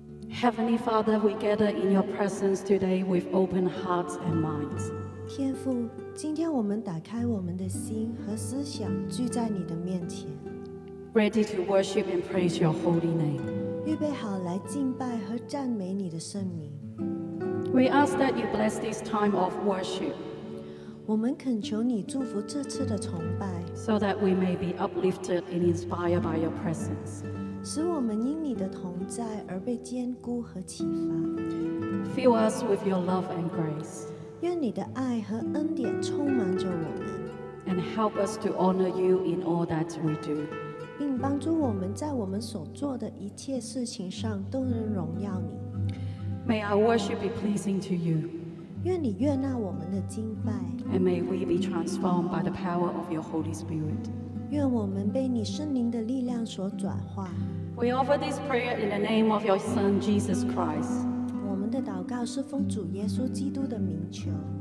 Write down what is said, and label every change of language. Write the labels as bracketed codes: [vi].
[en] Heavenly Father, we gather in your presence today with open hearts and minds. [zh] 天父，今天我们打开我们的心和思想，聚在你的面前。 [en] Ready to worship and praise your holy name. [zh] 预备好来敬拜和赞美你的圣名。 [en] We ask that you bless this time of worship. [zh] 我们恳求你祝福这次的崇拜。 [en] So that we may be uplifted and inspired by your presence. [zh] 使我们因你的同在而被坚固和启发。 [en] Fill us with your love and grace. [zh] 愿你的爱和恩典充满着我们。 [en] And help us to honor you in all that we do. [zh] 并帮助我们在我们所做的一切事情上都能荣耀你。 [en] May our worship be pleasing to you. [zh] 愿你悦纳我们的敬拜。 [en] And may we be transformed by the power of your Holy Spirit. [zh] 愿我们被你圣灵的力量所转化。 [en] We offer this prayer in the name of your Son Jesus Christ. [zh] 我们的祷告是奉主耶稣基督的名求。